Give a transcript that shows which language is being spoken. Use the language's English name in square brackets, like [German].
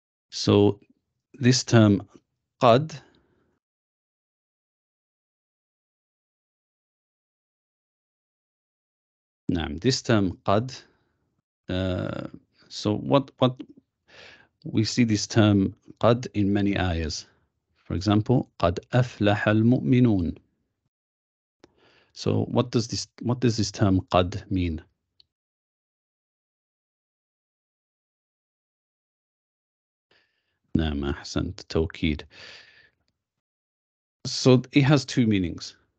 [English] So this term قد نعم, this term قد, so what we see this term قد in many ayahs. For example, [Arabic] قد أفلح المؤمنون. [English] So what does this term قد mean? [Arabic] نعم أحسن التوكيد. [English] So it has two meanings.